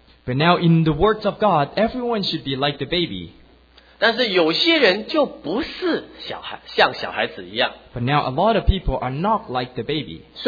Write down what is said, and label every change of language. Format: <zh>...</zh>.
<en>But now in the words of God, everyone should be like the baby.</en> <zh>但是有些人就不是像小孩子一样。</zh> <en>But now a lot of people are not like the baby.</en>